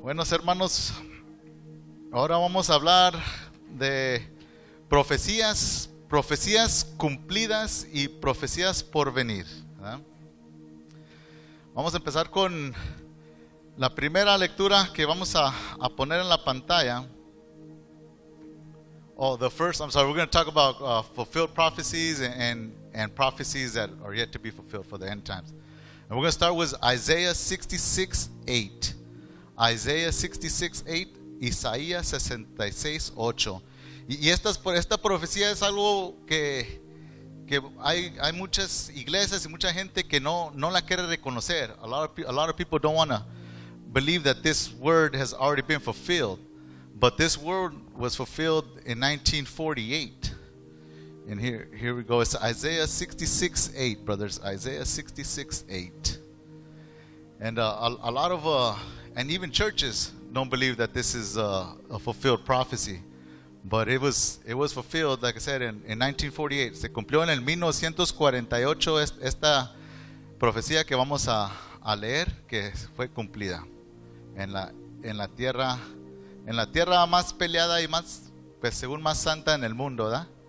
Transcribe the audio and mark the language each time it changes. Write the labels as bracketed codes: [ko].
[es] Buenos hermanos, ahora vamos a hablar de profecías, profecías cumplidas y profecías por venir, ¿verdad? Vamos a empezar con la primera lectura que vamos a poner en la pantalla. [en] Oh, the first, I'm sorry, we're going to talk about fulfilled prophecies and prophecies that are yet to be fulfilled for the end times. And we're going to start with Isaiah 66:8. Isaiah 66:8, Isaías 66:8. [es] Y esta profecía es algo que hay muchas iglesias y mucha gente que no la quiere reconocer. [en] A lot of people don't want to believe that this word has already been fulfilled. But this word was fulfilled in 1948. And here we go. It's Isaiah 66:8, brothers. Isaiah 66:8. And and even churches don't believe that this is a fulfilled prophecy. But it was fulfilled, like I said, in 1948. [es] Se cumplió en el 1948 esta profecía que vamos a leer, que fue cumplida en la tierra más peleada y más, pues según, más santa en el mundo, ¿verdad?